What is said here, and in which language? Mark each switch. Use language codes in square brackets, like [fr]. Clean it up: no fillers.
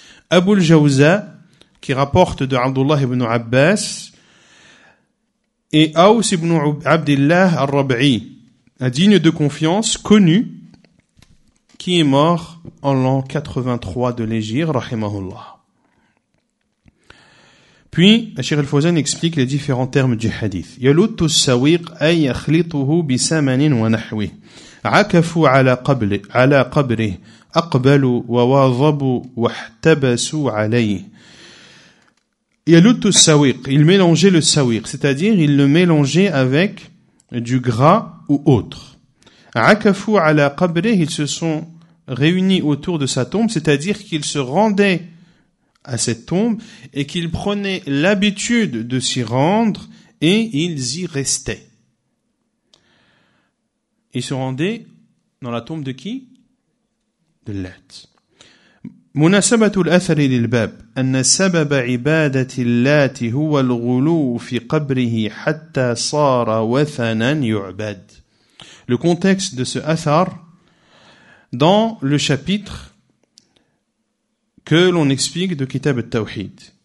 [fr] Abu al-Jawza, qui rapporte de Abdullah ibn Abbas, et Aws ibn Abdillah al-Rab'i, un digne de confiance connu, qui est mort en l'an 83 de l'Hégire, rahimahullah. Puis, Cheikh Al-Fawzan explique les différents termes du hadith. [ar] يلوت السويق أي يخلطه بسمن ونحوه عكفوا على قبره أقبلوا وواظبوا واحتبسوا عليه. يلوت السويق, [fr] il mélangeait le sawiq, c'est-à-dire il le mélangeait avec du gras ou autre. [ar] عكفوا على قبره, [fr] ils se sont réunis autour de sa tombe, c'est-à-dire qu'ils se rendaient à cette tombe et qu'ils prenaient l'habitude de s'y rendre et ils y restaient. Ils se rendaient dans la tombe de qui? De Lat. [ar] مناسبة الأثر للباب أن سبب عبادة اللات هو الغلو في قبره حتى صار وثنا يعبد. [fr] Le contexte de ce athar dans le chapitre que l'on explique de Kitab al-Tawhid.